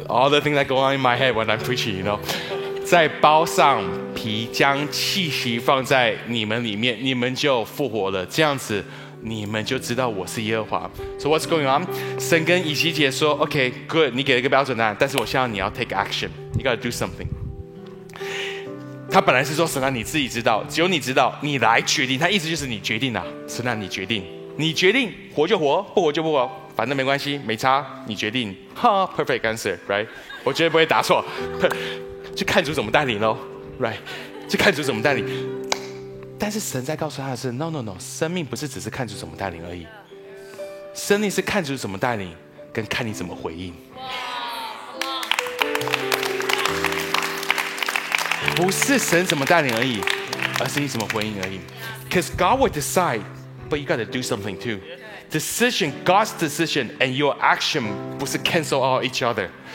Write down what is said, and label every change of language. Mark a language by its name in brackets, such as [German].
[English] All the things that go on in my head when I'm preaching, you know. [Chinese] 在包上皮，将气息放在你们里面，你们就复活了。这样子，你们就知道我是耶和华。 [English] So what's going on? [Chinese] 神跟以西结说 ， [English] OK, good. [Chinese] 你给了一个标准答案，但是我希望你要 [English] take action. You gotta do something. [Chinese] 他本来是说，神啊，你自己知道，只有你知道，你来决定。他意思就是你决定啊，神啊，你决定。你决定活就活，不活就不活，反正没关系，没差，你决定。哈 ， [English] perfect answer, right? [Chinese] 我绝对不会答错，就看主怎么带领喽 ，right? 就看主怎么带领。但是神在告诉他的是 ， [English] no no no， [Chinese] 生命不是只是看主怎么带领而已，生命是看主怎么带领，跟看你怎么回应。不是神怎么带领而已，而是你怎么回应而已。 [English] Because God will decide. But you got to do something too. Decision, God's decision and your action 不是 cancel out each other.